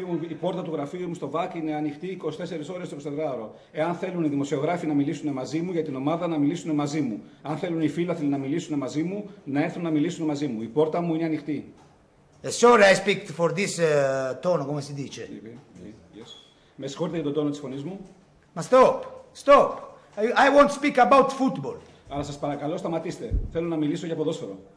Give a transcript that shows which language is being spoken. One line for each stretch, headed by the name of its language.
Greek: Η πόρτα του γραφείου μου στο ΒΑΚ είναι ανοιχτή 24 ώρες το 24ωρο. Εάν θέλουν οι δημοσιογράφοι να μιλήσουν μαζί μου, για την ομάδα να μιλήσουν μαζί μου. Αν θέλουν οι φίλαθλοι να μιλήσουν μαζί μου, να έρθουν να μιλήσουν μαζί μου. Η πόρτα μου είναι ανοιχτή.
English: Sorry, I speak for this tone,
Italian: come si dice.
English: Yes.
Greek: Με συγχωρείτε για τον τόνο της φωνής μου. Μα
English: stop, stop. I won't speak about football.
Greek: Αλλά σας παρακαλώ, σταματήστε. Θέλω να μιλήσω για ποδόσφαιρο.